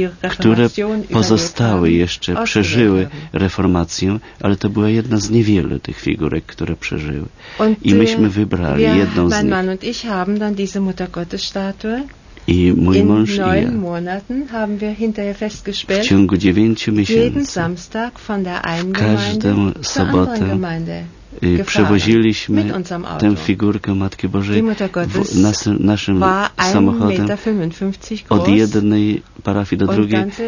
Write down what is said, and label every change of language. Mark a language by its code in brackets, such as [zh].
[pl] które pozostały jeszcze, przeżyły reformację, ale to była jedna z niewielu tych figurek, które przeżyły. I myśmy wybrali jedną z nich. [de] Mein Mann und ich haben dann diese Muttergottesstatue. [pl] I mój mąż i ja. [de] Monaten haben wir hinterher festgestellt, [pl] w ciągu 9 miesięcy, [de] jeden Samstag von der einen Gemeinde zur anderen Gemeinde. [pl] Przewoziliśmy tę figurkę Matki Bożej naszym samochodem od jednej parafii do drugiej.